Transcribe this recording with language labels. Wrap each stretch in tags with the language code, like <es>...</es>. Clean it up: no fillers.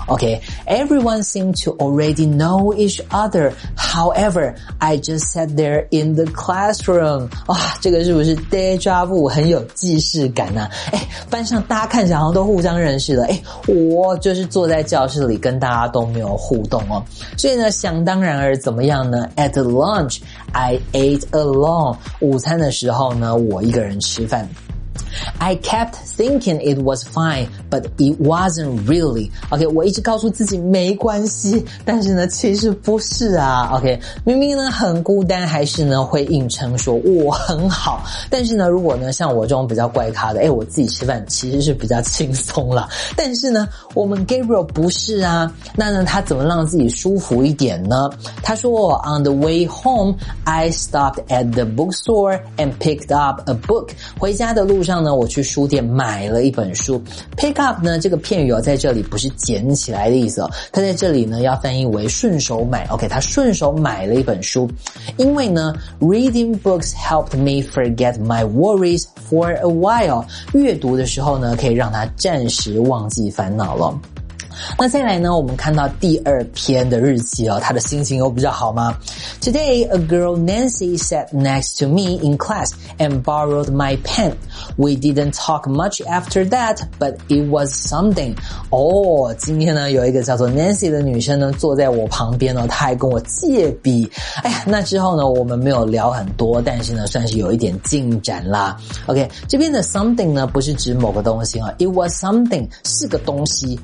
<en>OK， everyone seemed to already know each other， however I just sat there in the classroom。</en> <zh>这个是不是 deja vu， 很有既视感啊。班上大家看起来好像都互相认识了，我就是坐在教室里跟大家都没有互动哦。所以呢想当然而怎么样呢？</zh> <en>at lunch I ate alone，</en> <zh>午餐的时候呢我一个人吃饭。</zh> <en>I kept thinking it was fine, but it wasn't really.</en> <zh>OK, 我一直告诉自己没关系，但是呢，其实不是啊。 OK, 明明呢很孤单，还是呢会硬撑说我很好。但是呢，如果呢像我这种比较怪咖的，哎，我自己吃饭其实是比较轻松了。但是呢，我们 Gabriel 不是啊。那呢，他怎么让自己舒服一点呢？他说</zh> <en>，On the way home, I stopped at the bookstore and picked up a book.</en> <zh>回家的路上呢，我去书店买了一本书。Pick up 呢，这个片语哦，在这里不是捡起来的意思哦，它在这里呢要翻译为顺手买。 OK, 他顺手买了一本书，因为呢 ，</zh> <en>reading books helped me forget my worries for a while.</en> <zh>阅读的时候呢，可以让他暂时忘记烦恼了。那再来呢，我们看到第二篇的日记哦，他的心情又比较好吗？</zh> <en>Today, a girl Nancy sat next to me in class and borrowed my pen. We didn't talk much after that, but it was something.</en> <zh>哦，今天呢，有一个叫做 Nancy 的女生呢，坐在我旁边哦，她还跟我借笔。哎呀，那之后呢，我们没有聊很多，但是呢，算是有一点进展啦。 OK, 这边的 something 呢，不是指某个东西哦，</zh> <en>it was something,</en> <zh>是个东西。</zh>